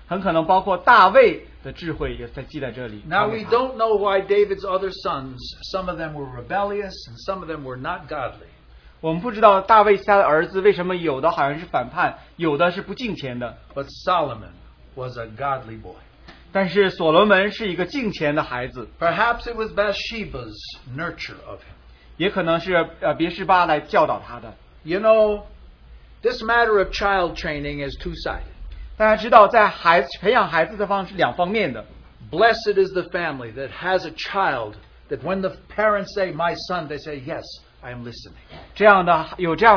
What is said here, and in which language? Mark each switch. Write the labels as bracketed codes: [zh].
[zh] 很可能所罗门不只是来传下他的智慧,很可能包括大卫的智慧也在记在这里。 [en] Now we don't know why David's other sons, some of them were rebellious and some of them were not godly. [zh] 我们不知道大卫其他的儿子为什么有的好像是反叛,有的是不敬虔的。 [en] But Solomon was a godly boy. [zh] 但是所罗门是一个敬虔的孩子。 [en] Perhaps it was Bathsheba's nurture of him. [zh] 也可能是别示巴来教导他的。 [en] You know, this matter of child training is two-sided. [zh] 大家知道在孩子,培养孩子的方式是两方面的。 [en] Blessed is the family that has a child that when the parents say, my son, they say, yes, I am listening.